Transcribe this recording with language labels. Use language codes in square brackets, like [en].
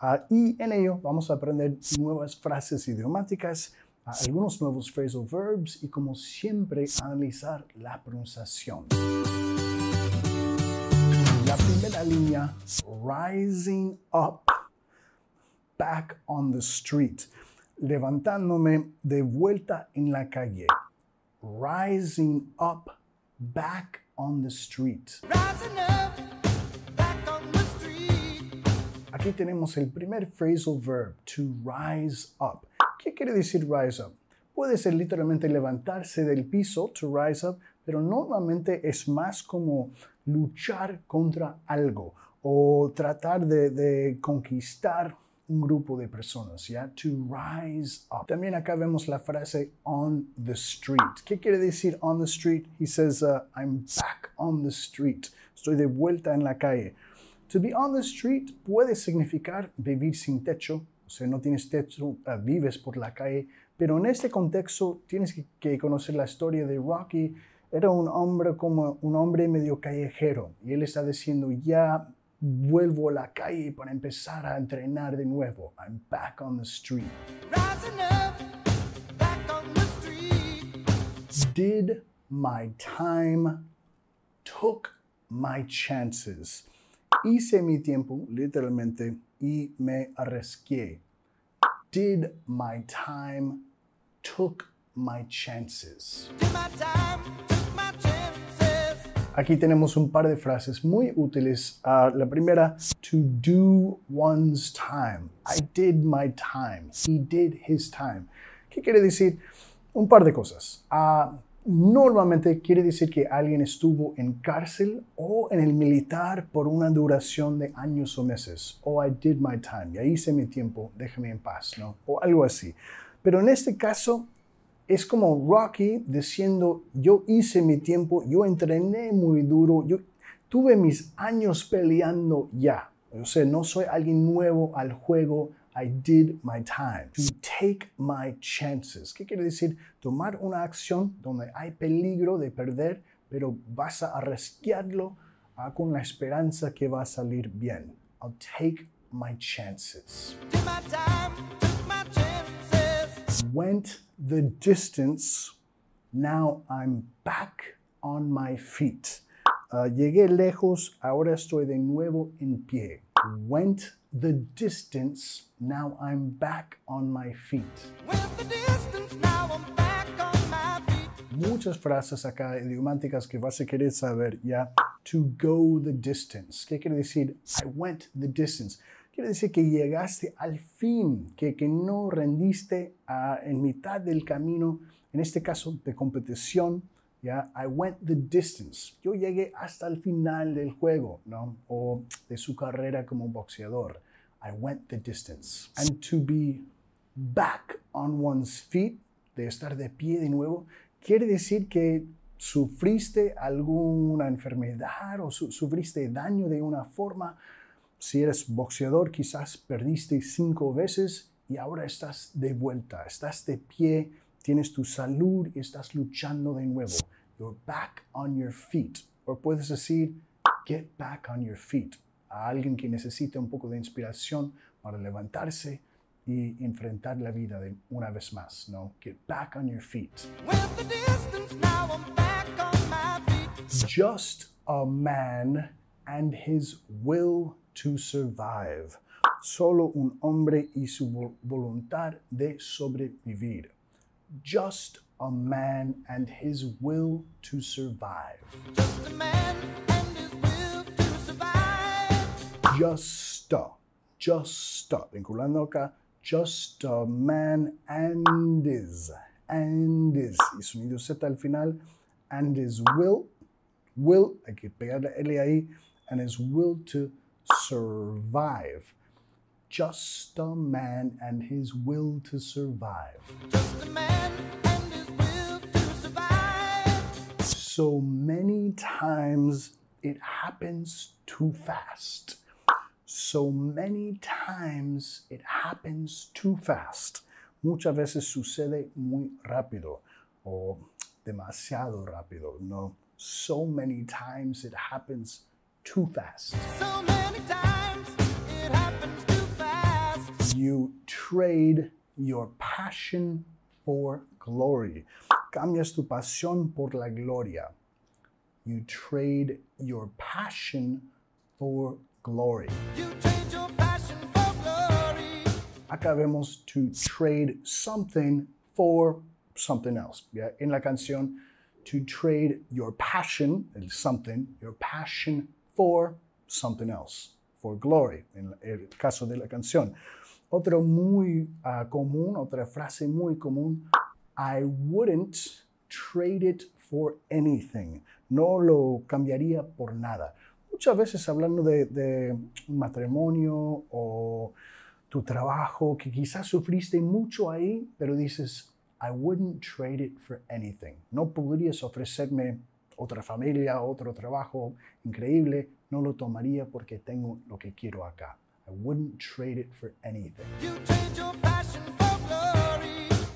[es] Y en ello vamos a aprender nuevas frases idiomáticas, algunos nuevos phrasal verbs y, como siempre, analizar la pronunciación. La primera línea, [en] rising up, back on the street. [es] Levantándome de vuelta en la calle. [en] Rising up, back on the street. Rising up, back on the street. [es] Aquí tenemos el primer phrasal verb, [en] to rise up. [es] ¿Qué quiere decir [en] rise up? [es] Puede ser literalmente levantarse del piso, [en] to rise up, [es] pero normalmente es más como luchar contra algo o tratar de conquistar un grupo de personas, ¿ya? [en] To rise up. [es] También acá vemos la frase [en] on the street. [es] ¿Qué quiere decir [en] on the street? He says, I'm back on the street. [es] Estoy de vuelta en la calle. [en] To be on the street [es] puede significar vivir sin techo. O sea, no tienes techo, vives por la calle. Pero en este contexto tienes que conocer la historia de Rocky. Era un hombre como un hombre medio callejero. Y él está diciendo, ya vuelvo a la calle para empezar a entrenar de nuevo. [en] I'm back on the street. Rising up, back on the street. Did my time, took my chances. [es] Hice mi tiempo, literalmente, y me arriesgué. [en] Did my time, took my chances. Did my time, took my chances. [es] Aquí tenemos un par de frases muy útiles. La primera, [en] to do one's time. I did my time. He did his time. [es] ¿Qué quiere decir? Un par de cosas. Normalmente quiere decir que alguien estuvo en cárcel o en el militar por una duración de años o meses. [en] Oh, I did my time. [es] Ya hice mi tiempo. Déjame en paz, ¿no? O algo así. Pero en este caso, es como Rocky diciendo, yo hice mi tiempo, yo entrené muy duro, yo tuve mis años peleando ya. O sea, no soy alguien nuevo al juego. [en] I did my time. To take my chances. [es] ¿Qué quiere decir? Tomar una acción donde hay peligro de perder, pero vas a arriesgarlo con la esperanza que va a salir bien. [en] I'll take my chances. Did my time, took my chances. Went the distance. Now I'm back on my feet. [es] Llegué lejos. Ahora estoy de nuevo en pie. [en] Went the distance, now I'm back on my feet. Went the distance, now I'm back on my feet. [es] Muchas frases acá idiomáticas que vas a querer saber, ¿ya? [en] To go the distance. [es] ¿Qué quiere decir? [en] I went the distance. [es] Quiere decir que llegaste al fin, que no rendiste en mitad del camino, en este caso de competición, ¿ya? [en] I went the distance. [es] Yo llegué hasta el final del juego, ¿no? O de su carrera como boxeador. [en] I went the distance. And to be back on one's feet, [es] de estar de pie de nuevo, quiere decir que sufriste alguna enfermedad o sufriste daño de una forma. Si eres boxeador, quizás perdiste 5 veces y ahora estás de vuelta. Estás de pie, tienes tu salud y estás luchando de nuevo. [en] You're back on your feet. [es] O puedes decir, [en] get back on your feet. [es] A alguien que necesite un poco de inspiración, para levantarse y enfrentar la vida de una vez más, ¿no? [en] Get back on your feet. With the distance, now I'm back on my feet. Just a man and his will to survive. [es] Solo un hombre y su voluntad de sobrevivir. [en] Just a man and his will to survive. Just a man and his will to survive. Just a, [es] vinculando acá, [en] just a man and his, [es] y sonido Z al final, [en] and his will, [es] hay que pegar la L ahí, [en] and his will to survive. Just a man and his will to survive. Just a man and his will to survive. So many times it happens too fast. So many times it happens too fast. [es] Muchas veces sucede muy rápido o demasiado rápido, ¿no? [en] So many times it happens too fast. So many times it happens too fast. You trade your passion for glory. [es] Cambias tu pasión por la gloria. [en] You trade your passion for glory. You trade your passion for glory. [es] Acá vemos [en] to trade something for something else. Yeah? [es] En la canción, [en] to trade your passion, something, your passion for something else, for glory, [es] en el caso de la canción. Otro muy común, otra frase muy común, [en] I wouldn't trade it for anything. [es] No lo cambiaría por nada. Muchas veces hablando de un matrimonio o tu trabajo, que quizás sufriste mucho ahí, pero dices, [en] I wouldn't trade it for anything. [es] No podrías ofrecerme otra familia, otro trabajo increíble. No lo tomaría porque tengo lo que quiero acá. [en] I wouldn't trade it for anything. You trade your passion for glory.